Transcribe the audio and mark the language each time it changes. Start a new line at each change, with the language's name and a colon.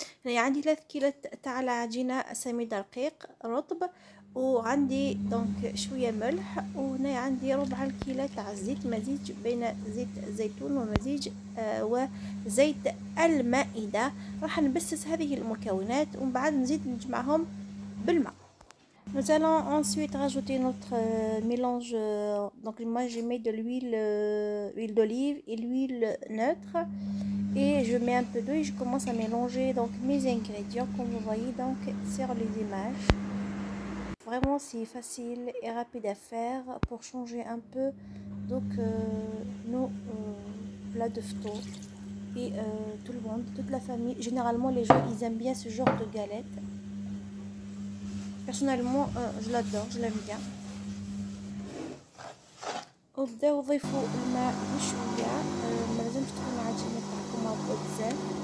Arabic: هنا عندي 3 كيلات تاع العجينه سميده رقيق رطب، وعندي دونك شويه ملح، وهنا عندي ربع الكيلات تاع الزيت، مزيج بين زيت الزيتون ومزيج وزيت المائده. راح نبسس هذه المكونات ومن بعد نزيد نجمعهم بالماء.
French: Nous allons ensuite rajouter notre mélange. Donc moi je mets de l'huile d'olive et l'huile neutre, et je mets un peu d'eau et je commence à mélanger donc mes ingrédients comme vous voyez donc sur les images. Vraiment c'est facile et rapide à faire pour changer un peu donc nos plats de fton et tout le monde, toute la famille. Généralement les gens ils aiment bien ce genre de galette. Personnellement je l'adore, je l'aime bien.
Arabic: وبداو ضيفوا الماء بشوية، ما لازمش تكون العجينة تاعكم مرة بزاف.